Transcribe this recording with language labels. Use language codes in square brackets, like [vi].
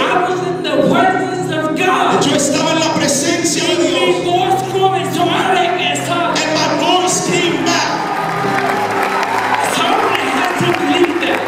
[en] I was in the presence of God. [es] Yo estaba en la presencia de Dios. [en] My voice [es] comenzó a regresar. [en] And my voice came back. Somebody had to believe that.